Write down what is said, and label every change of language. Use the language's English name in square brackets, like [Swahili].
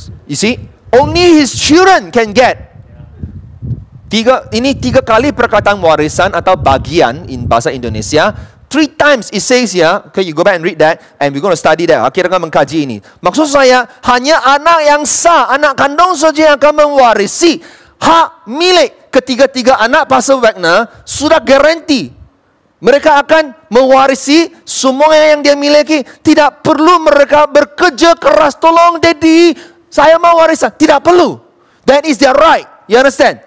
[English] You see, only his children can get. [Malay] Tiga kali perkataan warisan atau bagian in bahasa Indonesia. [English] Three times it says, yeah, okay, you go back and read that, and we're going to study that. [Malay] Akhirnya akan mengkaji ini. Maksud saya, hanya anak yang sah, anak kandung saja yang akan mewarisi hak milik ketiga-tiga anak Pastor Wagner sudah garanti. Mereka akan mewarisi semua yang dia miliki. Tidak perlu mereka bekerja keras. Tolong, Daddy, saya mau warisan. Tidak perlu. [English] That is their right. You understand?